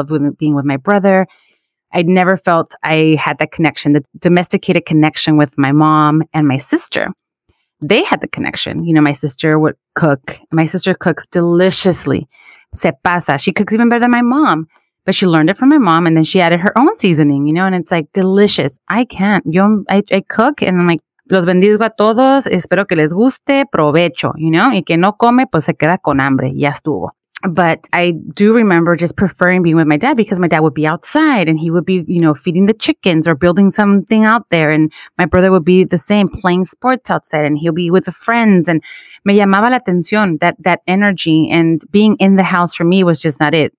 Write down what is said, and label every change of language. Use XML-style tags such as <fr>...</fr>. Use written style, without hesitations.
<en>I loved being with my brother. I'd never felt I had that connection, the domesticated connection with my mom and my sister. They had the connection. You know, my sister would cook. My sister cooks deliciously.</en> <es>Se pasa.</es> <en>She cooks even better than my mom. But she learned it from my mom and then she added her own seasoning, you know, and it's like delicious. I can't. I cook and I'm like,</en> <es>los bendigo a todos, espero que les guste, provecho,</es> <en>you know,</en> <es>y que no come, pues se queda con hambre, ya estuvo.</es> <en>But I do remember just preferring being with my dad because my dad would be outside and he would be, you know, feeding the chickens or building something out there. And my brother would be the same, playing sports outside and he'll be with the friends. And</en> <es>me llamaba la atención,</es> <en>that energy and being in the house for me was just not it.</en>